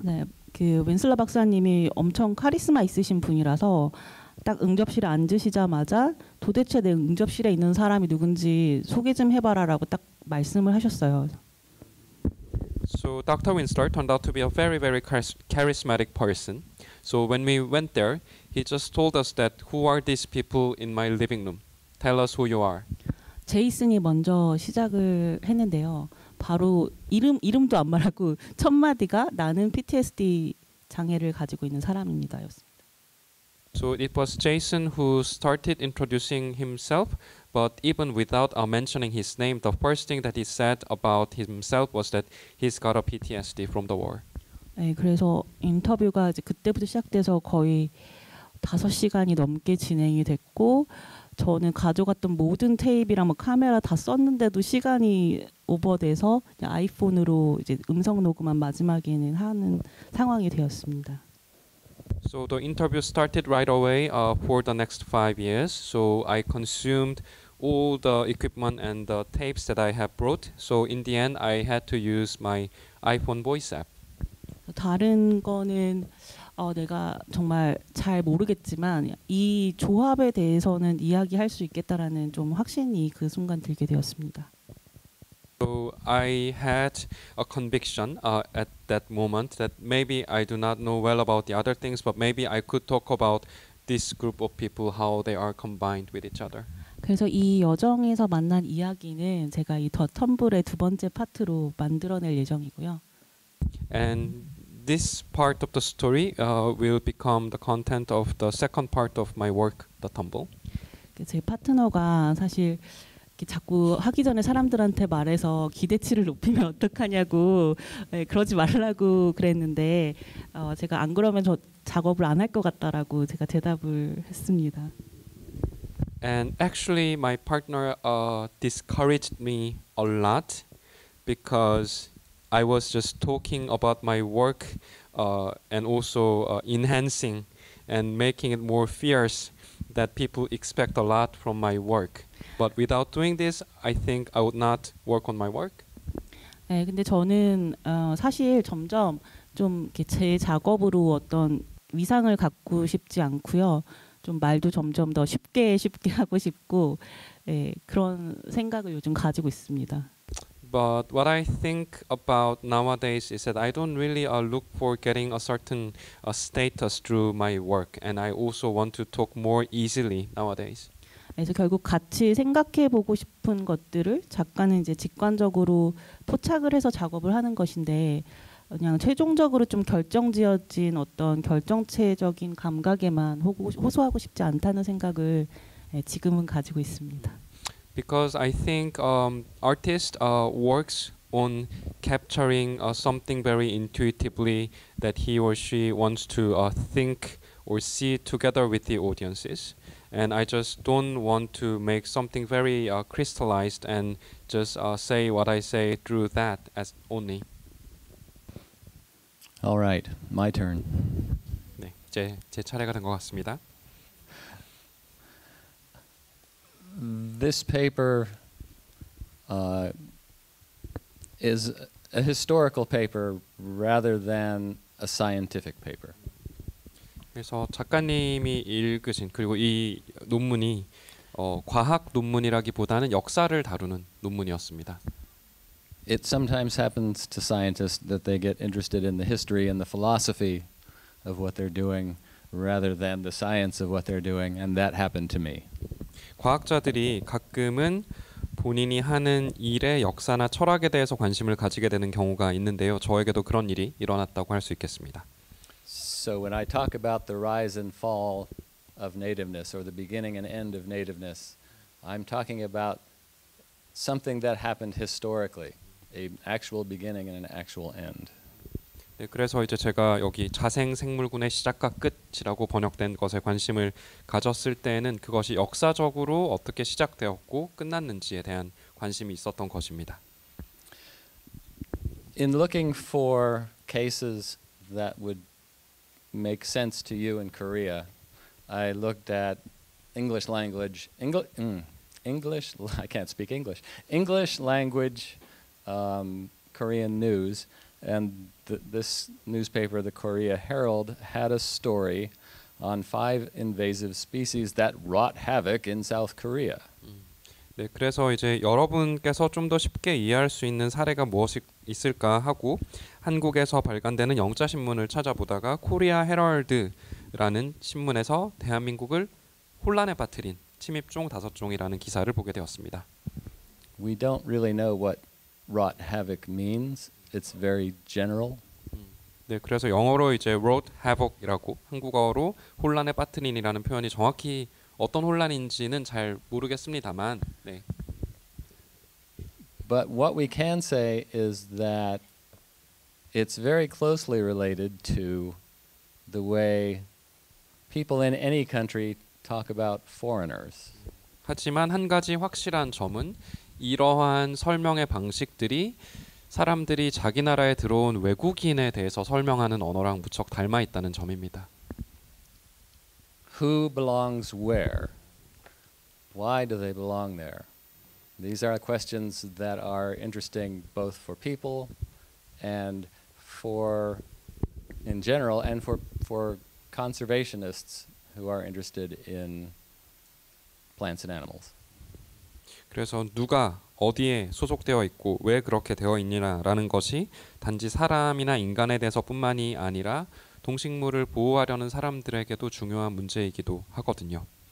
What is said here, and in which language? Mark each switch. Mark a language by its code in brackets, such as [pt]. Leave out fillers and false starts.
[ko] 네, 그 윈슬러 박사님이 엄청 카리스마 있으신 분이라서 딱 응접실에 앉으시자마자 도대체 내 응접실에 있는 사람이 누군지 소개 좀 해봐라라고 딱 말씀을 하셨어요. [en] So Dr. Winslow turned out to be a very, very charismatic person. So when we went there, he just told us that who are these people in my living room? Tell us who you are. [ko] 제이슨이 먼저 시작을 했는데요. 바로 이름도 안 말하고 첫 마디가 나는 PTSD 장애를 가지고 있는 사람입니다였습니다. [en] So it was Jason who started introducing himself, but even without mentioning his name, the first thing that he said about himself was that he's got a PTSD from the war. [ko] 네, 그래서 인터뷰가 이제 그때부터 시작돼서 거의 5시간이 넘게 진행이 됐고 저는 가져갔던 모든 테이프랑 뭐 카메라 다 썼는데도 시간이 오버돼서 아이폰으로 이제 음성 녹음만 마지막에는 하는 상황이 되었습니다. [en] So the interview started right away for the next 5 years. So I consumed all the equipment and the tapes that I have brought. So in the end, I had to use my iPhone voice app. [ko] 다른 거는 내가 정말 잘 모르겠지만 이 조합에 대해서는 이야기할 수 있겠다라는 좀 확신이 그 순간 들게 되었습니다. [en] So I had a conviction at that moment that maybe I do not know well about the other things, but maybe I could talk about this group of people, how they are combined with each other. [ko] 그래서 이 여정에서 만난 이야기는 제가 이 더 텀블의 두 번째 파트로 만들어낼 예정이고요. [en] And this part of the story will become the content of the second part of my work, The Tumble. [ko] 제 파트너가 사실 이렇게 자꾸 하기 전에 사람들한테 말해서 기대치를 높이면 어떡하냐고 네, 그러지 말라고 그랬는데 제가 안 그러면 저 작업을 안 할 것 같다라고 제가 대답을 했습니다. [en] And actually, my partner discouraged me a lot because I was just talking about my work and also enhancing and making it more fierce that people expect a lot from my work. But without doing this, I think I would not work on my work. [ko] 네, 근데 저는 사실 점점 좀 제 작업으로 어떤 위상을 갖고 싶지 않고요. 좀 말도 점점 더 쉽게 하고 싶고 네, 그런 생각을 요즘 가지고 있습니다. [en] But what I think about nowadays is that I don't really look for getting a certain status through my work, and I also want to talk more easily nowadays. [ko] 그래서 결국 같이 생각해 보고 싶은 것들을 작가는 이제 직관적으로 포착을 해서 작업을 하는 것인데 그냥 최종적으로 좀 결정지어진 어떤 결정체적인 감각에만 호소하고 싶지 않다는 생각을 지금은 가지고 있습니다. [en] Because I think artist works on capturing something very intuitively that he or she wants to think or see together with the audiences. And I just don't want to make something very crystallized and just say what I say through that as only. All right, my turn. [ko] 네, 이제 제 차례가 된 것 같습니다. [en] This paper is a historical paper rather than a scientific paper. [ko] 그래서 작가님이 읽으신 그리고 이 논문이 과학 논문이라기보다는 역사를 다루는 논문이었습니다. [en] It sometimes happens to scientists that they get interested in the history and the philosophy of what they're doing rather than the science of what they're doing, and that happened to me. [ko] 과학자들이 가끔은 본인이 하는 일의 역사나 철학에 대해서 관심을 가지게 되는 경우가 있는데요. 저에게도 그런 일이 일어났다고 할 수 있겠습니다. [en] So when I talk about the rise and fall of nativeness or the beginning and end of nativeness, I'm talking about something that happened historically, an actual beginning and an actual end. [ko] 네, 그래서 이제 제가 여기 자생 생물군의 시작과 끝이라고 번역된 것에 관심을 가졌을 때에는 그것이 역사적으로 어떻게 시작되었고 끝났는지에 대한 관심이 있었던 것입니다. [en] in looking for cases that would make sense to you in Korea, I looked at English language, English language Korean news, and this newspaper, the Korea Herald, had a story on five invasive species that wrought havoc in South Korea. [ko] 네, 그래서 이제 여러분께서 좀 더 쉽게 이해할 수 있는 사례가 무엇이 있을까 하고 한국에서 발간되는 영자 신문을 찾아보다가 코리아 헤럴드라는 신문에서 대한민국을 혼란에 빠뜨린 침입종 다섯 종이라는 기사를 보게 되었습니다. [en] We don't really know what wrought havoc means. It's very general. [ko] 네, 그래서 영어로 이제 [en] wrought havoc [ko] 이라고 한국어로 혼란에 빠뜨린이라는 표현이 정확히 어떤 혼란인지는 잘 모르겠습니다만, 네. [en] But what we can say is that it's very closely related to the way people in any country talk about foreigners. [ko] 하지만 한 가지 확실한 점은 이러한 설명의 방식들이 사람들이 자기 나라에 들어온 외국인에 대해서 설명하는 언어랑 무척 닮아 있다는 점입니다. [en] Who belongs where? Why do they belong there? These are questions that are interesting both for people and for, in general, and for conservationists who are interested in plants and animals. [ko] 그래서 누가 어디에 소속되어 있고 왜 그렇게 되어 있느냐라는 것이 단지 사람이나 인간에 대해서뿐만이 아니라 동식물을 보호하려는 사람들에게도 중요한 문제이기도 하거든요.